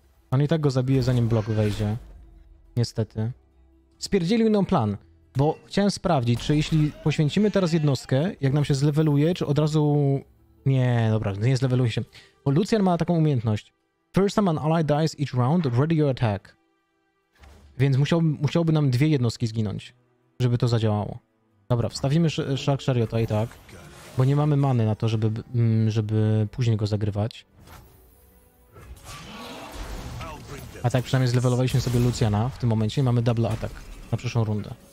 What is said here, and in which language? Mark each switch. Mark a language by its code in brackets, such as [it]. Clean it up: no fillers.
[pl] On i tak go zabije, zanim blok wejdzie. Niestety. Spierdzielił nam plan, bo chciałem sprawdzić, czy jeśli poświęcimy teraz jednostkę, jak nam się zleweluje, czy od razu... Nie, dobra, nie zleweluje się. Bo Lucian ma taką umiejętność. [en] First time an ally dies each round, ready your attack. [pl] Więc musiałby nam dwie jednostki zginąć, żeby to zadziałało. Dobra, wstawimy Shark Chariota i tak, bo nie mamy many na to, żeby później go zagrywać. A tak przynajmniej zlevelowaliśmy sobie Luciana w tym momencie i mamy double attack na przyszłą rundę.